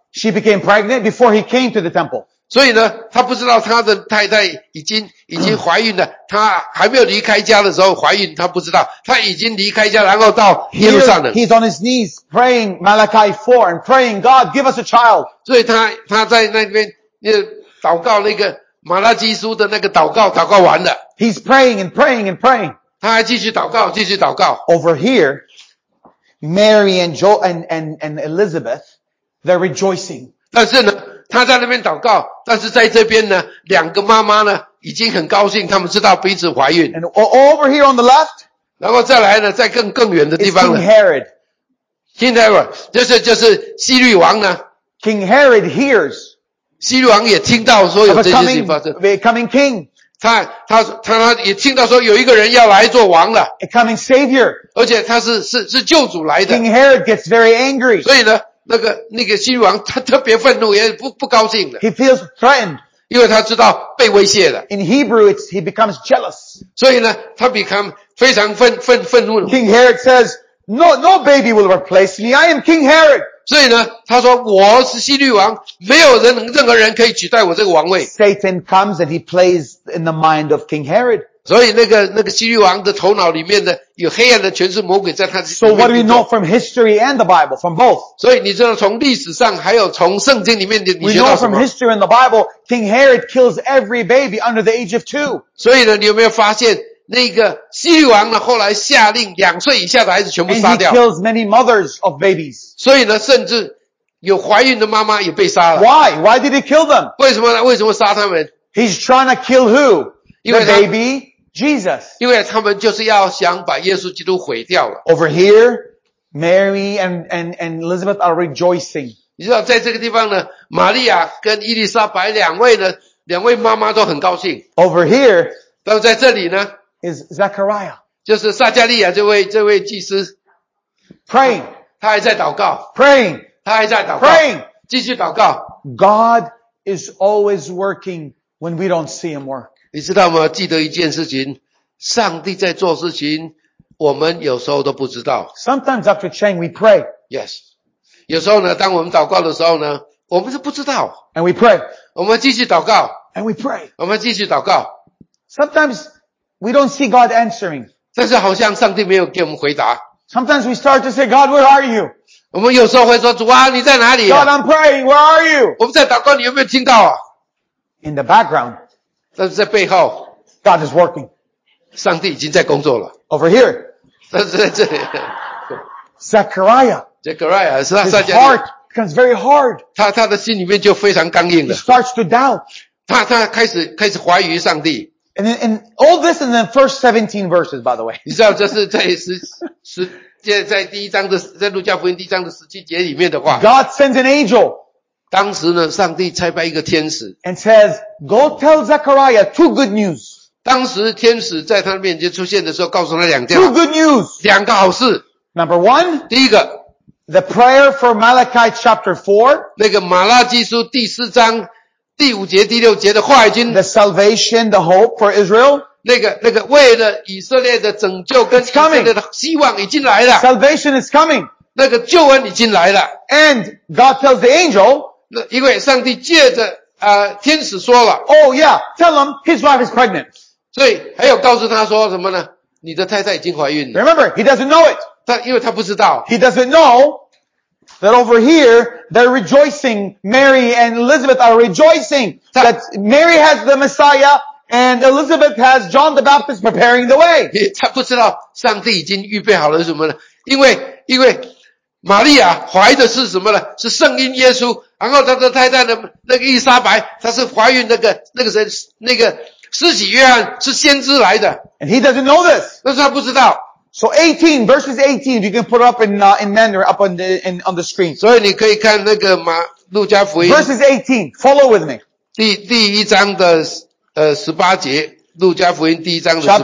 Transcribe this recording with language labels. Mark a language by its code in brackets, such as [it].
[en] She became pregnant before he came to the temple. [zh] 所以呢他不知道他的太太已经怀孕了他还没有离开家的时候怀孕他不知道他已经离开家然后到耶路撒冷。 [en] He's on his knees praying Malachi 4 and praying God give us a child. [zh] 所以他在那边祷告那个马拉基书的那个祷告祷告完了。 [en] He's praying and praying and praying. [zh] 他还继续祷告。 [en] Over here, Mary and Joel and Elizabeth, they're rejoicing. [zh] 但是呢他在那边祷告但是在这边呢两个妈妈呢已经很高兴他们知道彼此怀孕。 [en] And over here on the left, [zh] 然后再来呢在更远的地方呢。 [en] King Herod. [zh] King Herod, 就是希律王呢。 [en] King Herod hears. [zh] 希律王也听到说有这件事情发生。 [en] Becoming king. [zh] 他也听到说有一个人要来做王了。 [en] Becoming savior. [zh] 而且他是救主来的。 [en] King Herod gets very angry. [zh] 所以呢那个希律王他特别愤怒也不高兴了。 [en] He feels threatened. [zh] 因为他知道被威胁了。 [en] In Hebrew, he becomes jealous. [zh] 所以呢他 [en] become [zh] 非常愤怒。 [en] King Herod says, no baby will replace me. I am King Herod. [zh] 所以呢他说我是希律王没有任何人可以取代我这个王位。 [en] Satan comes and he plays in the mind of King Herod. [zh] 所以那个希律王的头脑里面的有黑暗的全是魔鬼在他。 [en] So what do we know from history and the Bible, from both? [zh] 所以你知道从历史上还有从圣经里面你学到什么 [en] ?We know from history and the Bible, King Herod kills every baby under the age of two. [zh] 所以呢你有没有发现那个希律王呢后来下令两岁以下的孩子全部杀掉。 [en] And he kills many mothers of babies. [zh] 所以呢甚至有怀孕的妈妈也被杀了。 [en] Why? Why did he kill them? [zh] 为什么杀他们 [en] ?He's trying to kill who? The baby? Jesus. [zh] 因为他们就是要想把耶稣基督毁掉了。 [en] Over here, Mary and Elizabeth are rejoicing. [zh] 你知道在这个地方呢玛利亚跟伊丽莎白两位妈妈都很高兴。 [en] Over here, [zh] 但在这里呢 [en] is Zechariah. [zh] 就是撒加利亚这位祭司。 [en] Praying. [zh] 他还在祷告。 [en] Praying. [zh] 他还在祷告。 [en] Praying. [zh] 继续祷告。 [en] God is always working when we don't see him work. [zh] 你知道吗？记得一件事情，上帝在做事情，我们有时候都不知道。 [en] Sometimes after chain we pray. Yes. [zh] 有时候呢，当我们祷告的时候呢，我们是不知道。 [en] And we pray. [zh] 我们继续祷告。 [en] And we pray. [zh] 我们继续祷告。 [en] Sometimes we don't see God answering. [zh] 但是好像上帝没有给我们回答。 [en] Sometimes we start to say, God, where are you? [zh] 我们有时候会说，主啊，你在哪里啊 [en] ？God, I'm praying. Where are you? [zh] 我们在祷告，你有没有听到啊 [en] ？In the background. [zh] 但是在背后 [en] God is working. [zh] 上帝已经在工作了。 [en] Over here. [zh] 但是在这里。 [en] Zechariah. [zh] Zechariah, 是他撒加利亚。 [en] His heart becomes very hard. [zh] 他的心里面就非常刚硬了。 [en] He starts to doubt. [zh] 他开始怀疑上帝。 [en] And all this in the first 17 verses, by the way. [zh] 你知道这是在第一章的在路加福音第一章的17节里面的话。 [en] God sends an angel. [zh] 当时呢上帝差派一个天使 [en] and says, go tell Zechariah two good news. [zh] 当时天使在他面前出现的时候告诉他两件 [en] two good news. [zh] 两个好事 [en] Number one, [zh] 第一个 [en] the prayer for Malachi chapter 4, [zh] 那个马拉基书第四章第五节第六节的话已经 [en] the salvation, the hope for Israel, [zh] 那个为了以色列的拯救跟以色列的希望已经来了 [en] salvation is coming, [zh] 那个救恩已经来了 [en] and God tells the angel, [zh] 因为上帝借着天使说了 [en] Oh yeah, tell him his wife is pregnant. [zh] 所以还有告诉他说什么呢你的太太已经怀孕了。 [en] Remember, he doesn't know it. [zh] 因为他不知道。 [en] He doesn't know that over here, they're rejoicing, Mary and Elizabeth are rejoicing, that Mary has the Messiah And Elizabeth has John the Baptist preparing the way. [zh] 她不知道上帝已经预备好了什么呢？因为玛利亚怀的是什么呢？是圣婴耶稣。然后她的太太呢？那个伊莎白，她是怀孕那个那个谁，那个施洗约翰是先知来的。 [en] And he doesn't know this. [zh] 但是他不知道。 [en] So 18, verses 18, if you can put it up in Mandarin, up on the screen. [zh] 所以你可以看那个马路加福音。 [en] Verses 18, follow with me. [zh] 第一章的18节，路加福音第一章的18节。